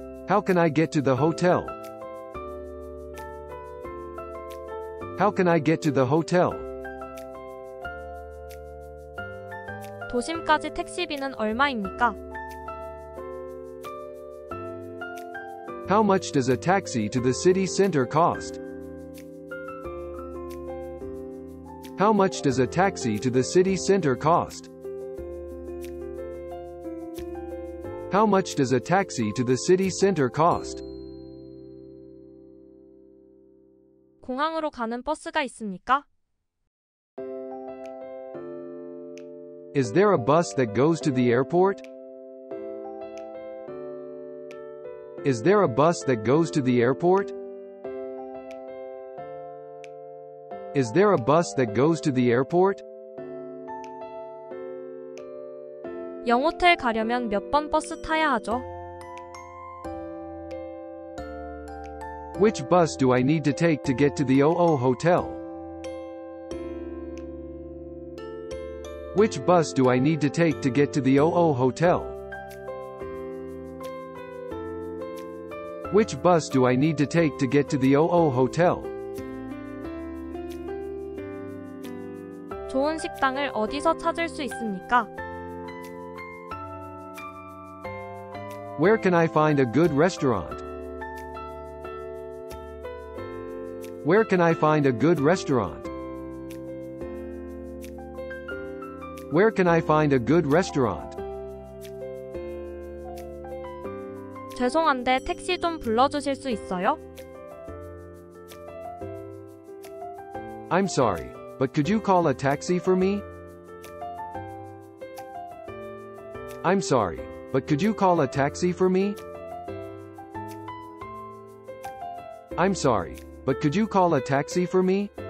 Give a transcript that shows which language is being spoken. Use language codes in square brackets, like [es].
[en] How can I get to the hotel? How can I get to the hotel? [ko] 도심까지 택시비는 얼마입니까? [en] How much does a taxi to the city center cost? How much does a taxi to the city center cost? How much does a taxi to the city center cost? [ko] 공항으로 가는 버스가 있습니까? [en] Is there a bus that goes to the airport? Is there a bus that goes to the airport? Is there a bus that goes to the airport? [ko] 영호텔 가려면 몇 번 버스 타야 하죠? [en] Which bus do I need to take to get to the OO hotel? Which bus do I need to take to get to the OO hotel? Which bus do I need to take to get to the OO Hotel? [ko] 좋은 식당을 어디서 찾을 수 있습니까? [en] Where can I find a good restaurant? Where can I find a good restaurant? Where can I find a good restaurant? [ko] 죄송한데 택시 좀 불러주실 수 있어요? [en] I'm sorry, but could you call a taxi for me? I'm sorry, but could you call a taxi for me? I'm sorry, but could you call a taxi for me?